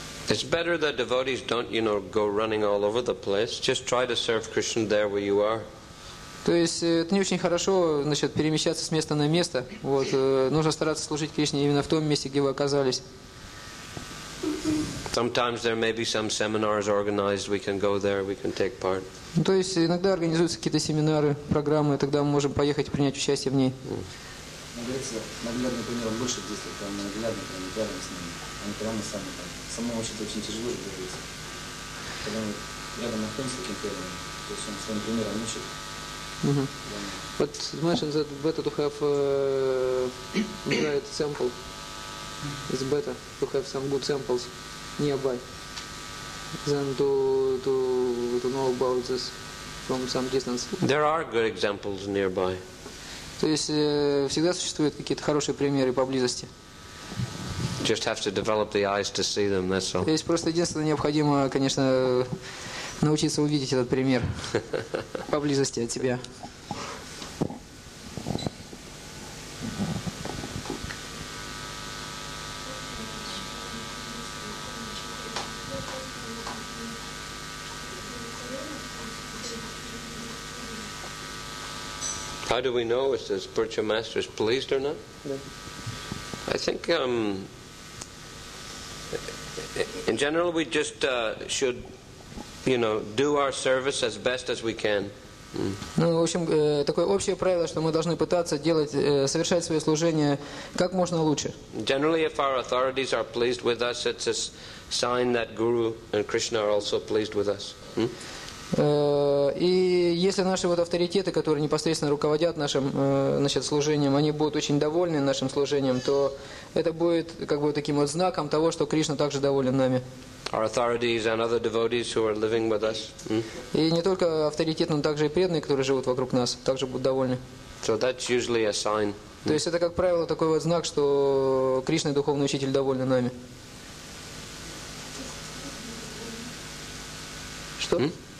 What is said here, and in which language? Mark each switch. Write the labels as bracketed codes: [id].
[en] It's better that devotees don't, you know, go running all over the place. Just try to serve Krishna there where you are. [ru] То есть это не очень хорошо, значит, перемещаться с места на место. Вот нужно стараться служить Кришне именно в том месте, где вы оказались. [en] Sometimes there may be some seminars organized. We can go there. We can take part. [ru] То есть иногда организуются какие-то семинары, программы, тогда мы можем поехать принять участие в ней. Наглядный пример больше действует. Там наглядно, там рядом с ними. Они прямо сами там. Самому очень очень тяжело же двигаться. Когда мы рядом находимся с кем-то, то есть он своим примером учит. [en] But you mentioned that better to have a right sample. It's better to have some good samples nearby than to know about this from some distance. There are good examples nearby. [ru] То есть всегда существуют какие-то хорошие примеры поблизости. [en] Just have to develop the eyes to see them, that's all. [ru] То есть просто единственное необходимо, конечно, научиться увидеть этот пример поблизости от себя. [en] How do we know if the spiritual master is pleased or not? Yeah. I think in general we just should, you know, do our service as best as we can. [ru] Ну, в общем, такое общее правило, что мы должны пытаться делать, совершать свое служение как можно лучше. [en] Generally, if our authorities are pleased with us, it's a sign that Guru and Krishna are also pleased with us. [ru] И если наши вот авторитеты, которые непосредственно руководят нашим, значит, служением, они будут очень довольны нашим служением, то это будет как бы таким вот знаком того, что Кришна также доволен нами. [en] Our authorities and other devotees who are living with us. [ru] И не только авторитеты, но также и преданные, которые живут вокруг нас, также будут довольны. [en] So that's usually a sign. [ru] То есть это, как правило, такой вот знак, что Кришна и духовный учитель довольны нами. Что?